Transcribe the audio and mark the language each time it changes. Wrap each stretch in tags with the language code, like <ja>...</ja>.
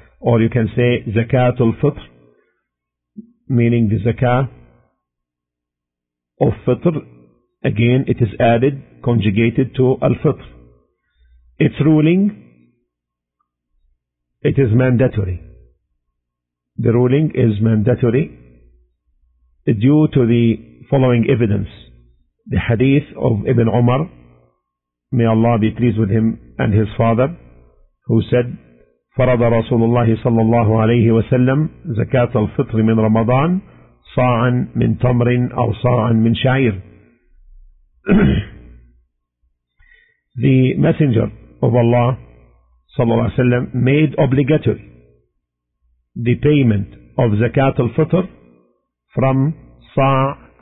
<en>Or you can say Zakatul Fitr, meaning the zakah of Fitr. Again, it is added, conjugated to Al-Fitr. Its ruling, it is mandatory. The ruling is mandatory due to the following evidence. The hadith of Ibn Umar, may Allah be pleased with him and his father, who said,</en> <ar>فرض رسول الله صلى الله عليه وسلم زكاة الفطر من رمضان صاعا من تمر أو صاعا من شعير.</ar> <en>The messenger of Allah</en> <ar>صلى الله عليه وسلم</ar> <en>made obligatory the payment of زكاة الفطر from صاع.</en>